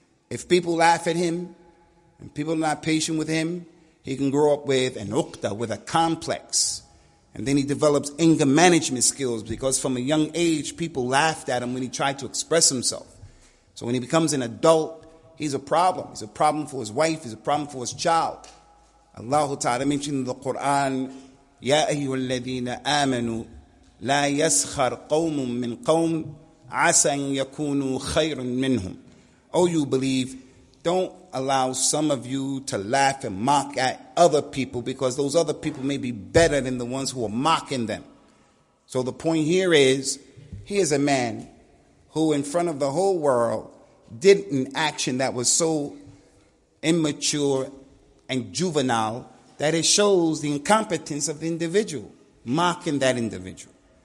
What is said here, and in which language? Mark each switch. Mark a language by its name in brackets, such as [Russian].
[English] If people laugh at him and people are not patient with him, he can grow up with an uqda, with a complex. And then he develops anger management skills, because from a young age, people laughed at him when he tried to express himself. So when he becomes an adult, he's a problem. He's a problem for his wife. He's a problem for his child. [Arabic] Allah Ta'ala mentioned in the Quran, يَا أَيُّهُ الَّذِينَ آمَنُوا لَا يَسْخَرْ قَوْمٌ مِّنْ قَوْمٍ عَسَنْ يَكُونُوا خَيْرٌ مِّنْهُمْ. [English] O you believe, don't allow some of you to laugh and mock at other people, because those other people may be better than the ones who are mocking them. So the point here is, here's a man who in front of the whole world did an action that was so immature and juvenile that it shows the incompetence of the individual, mocking that individual.